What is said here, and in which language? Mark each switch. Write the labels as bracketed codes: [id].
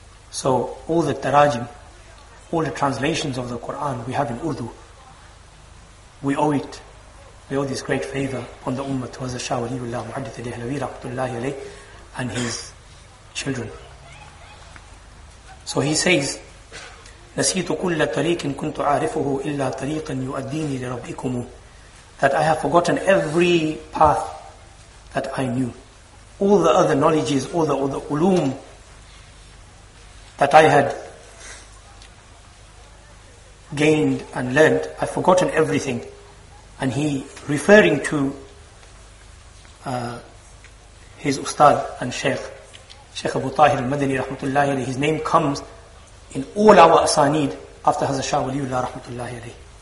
[en] So all the tarajim, all the translations of the Quran we have in Urdu, we owe it, we owe this great favor upon the ummah to Hazrat Shah Waliullah Muhaddith Dehlavi rahmatullahi alayhi and his children. So he says, [ar] نسيت كل طريق كنت أعرفه إلا طريقا يؤديني لربكم [en] that I have forgotten every path that I knew. All the other knowledges, all the uloom that I had gained and learned, I've forgotten everything. And he, referring to his ustad and Shaykh Abu Tahir al-Madani rahmatullahi alayhi, his name comes in all our asanid after Hazrat Shah Waliullah rahmatullahi alayhi.